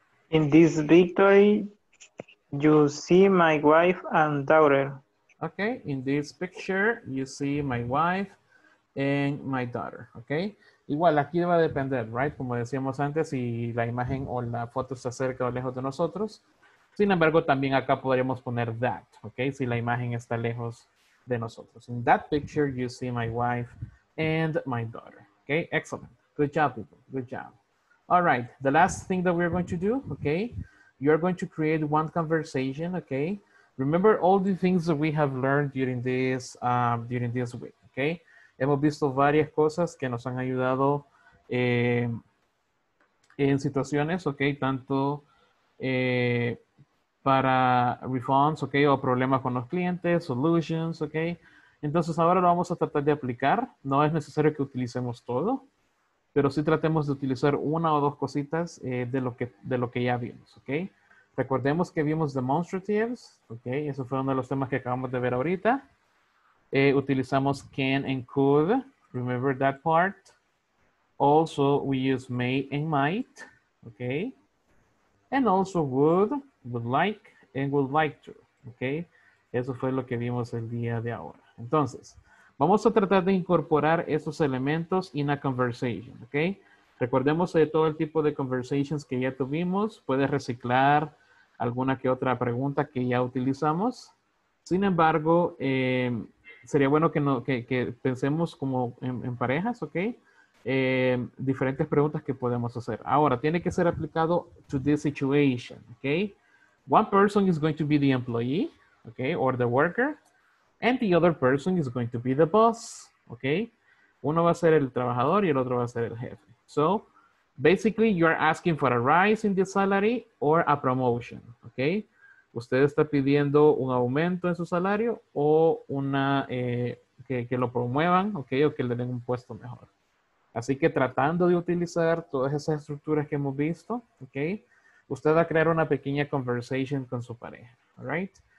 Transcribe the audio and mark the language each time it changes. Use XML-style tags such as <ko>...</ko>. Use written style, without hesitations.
<en>In this picture, you see my wife and daughter. Okay, in this picture, you see my wife and my daughter, okay?</en> <es>Igual, aquí va a depender, right? Como decíamos antes, si la imagen o la foto está cerca o lejos de nosotros. Sin embargo, también acá podríamos poner that, okay? Si la imagen está lejos de nosotros.</es> <en>In that picture, you see my wife and my daughter, okay? Excellent. Good job, people. Good job. All right, the last thing that we're going to do, okay? You're going to create one conversation, okay? Remember all the things that we have learned during this week, okay?</en> <es>Hemos visto varias cosas que nos han ayudado en situaciones, okay? Tanto para refunds, okay? O problemas con los clientes, solutions, okay? Entonces ahora lo vamos a tratar de aplicar. No es necesario que utilicemos todo, pero sí tratemos de utilizar una o dos cositas de lo que ya vimos, okay? Recordemos que vimos demonstratives, ok, eso fue uno de los temas que acabamos de ver ahorita. Utilizamos</es> <en>can and could, remember that part. Also, we use may and might, okay? And also would like, and would like to, okay?</en> <es>Eso fue lo que vimos el día de ahora. Entonces, vamos a tratar de incorporar esos elementos</es> <en>in a conversation,</en> <es>okay? Recordemos de todo el tipo de conversations que ya tuvimos. Puedes reciclar alguna que otra pregunta que ya utilizamos. Sin embargo, sería bueno que, no, que pensemos como en parejas, ok? Diferentes preguntas que podemos hacer. Ahora, tiene que ser aplicado</es> <en>to this situation,</en> <es>ok?</es> <en>One person is going to be the employee, ok? Or the worker. And the other person is going to be the boss, ok?</en> <es>Uno va a ser el trabajador y el otro va a ser el jefe.</es> <en>So, basically, you are asking for a rise in the salary or a promotion, okay?</en> <es>Usted está pidiendo un aumento en su salario o una, que lo promuevan, okay, o que le den un puesto mejor. Así que tratando de utilizar todas esas estructuras que hemos visto, okay, usted va a crear una pequeña conversation con su pareja, alright?</es>